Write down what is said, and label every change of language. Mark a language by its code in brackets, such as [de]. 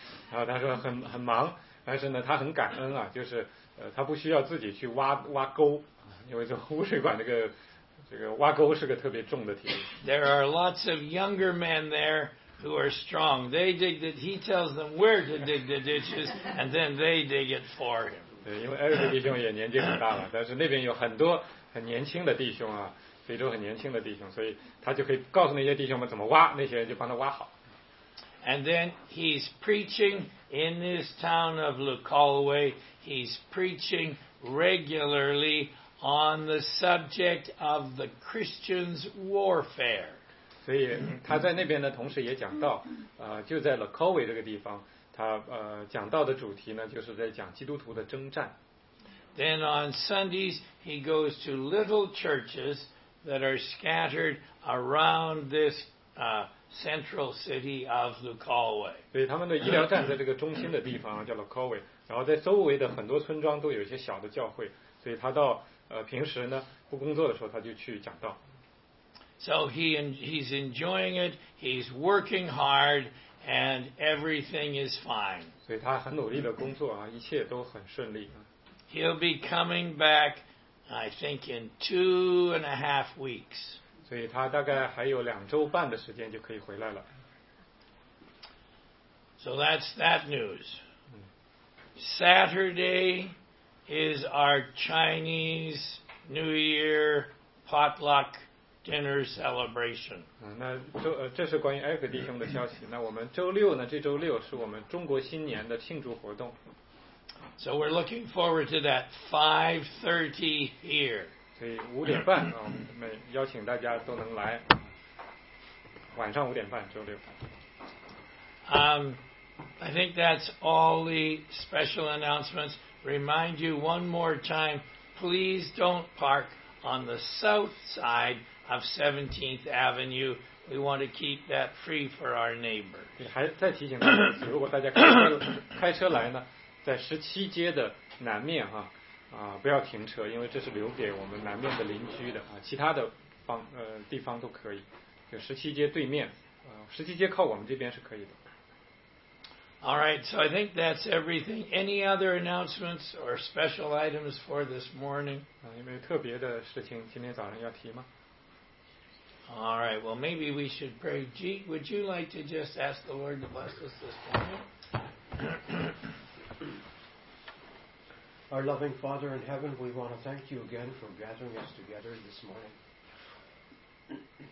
[zh] 然后他说很忙，但是呢，他很感恩啊，就是他不需要自己去挖沟，因为这污水管这个。这个挖沟是个特别重的题目。 [en] There are lots of younger men there who are strong. They dig that he tells them where to dig the ditches, and then they dig it for him. [zh] 对，因为 Eric 弟兄也年纪很大了，但是那边有很多很年轻的弟兄啊，非洲很年轻的弟兄，所以他就可以告诉那些弟兄们怎么挖，那些人就帮他挖好。 [en] And then he's preaching in this town of Lukalwe. He's preaching regularly. On the subject of the Christians' warfare. [zh] 所以他在那边呢，同时也讲到，就在 Lukalwe 这个地方，他讲到的主题呢，就是在讲基督徒的征战。 [en] Then on Sundays he goes to little churches that are scattered around this central city of Lukalwe. [zh] 所以他们的医疗站在这个中心的地方叫 Lukalwe， 然后在周围的很多村庄都有一些小的教会，所以他到。平时呢不工作的时候他就去讲道。 [en] So he's enjoying it, he's working hard, and everything is fine. [zh] 所以他很努力的工作啊，一切都很顺利。 [en] He'll be coming back, I think, in 2.5 weeks. [zh] 所以他大概还有两周半的时间就可以回来了。 [en] So that's that news. Saturday is our Chinese New Year potluck dinner celebration. [zh] 那这是关于艾克弟兄的消息。那我们周六呢，这周六是我们中国新年的庆祝活动。 [en] So we're looking forward to that 5:30 here. [zh] 所以五点半啊，我们邀请大家都能来。晚上五点半，周六。 [en] I think that's all the special announcements. Remind you one more time, please don't park on the south side of 17th Avenue. We want to keep that free for our neighbor. [zh] 还再提醒大家，如果大家开车来呢？在十七街的南面哈、不要停车，因为这是留给我们南面的邻居的啊，其他的地方都可以。就十七街对面，十七街靠我们这边是可以的。 [en] All right, so I think that's everything. Any other announcements or special items for this morning? [zh] 有没有特别的事情今天早上要提吗？ [en] All right, well maybe we should pray. Jeet, would you like to just ask the Lord to bless us this morning? Our loving Father in heaven, we want to thank you again for gathering us together this morning.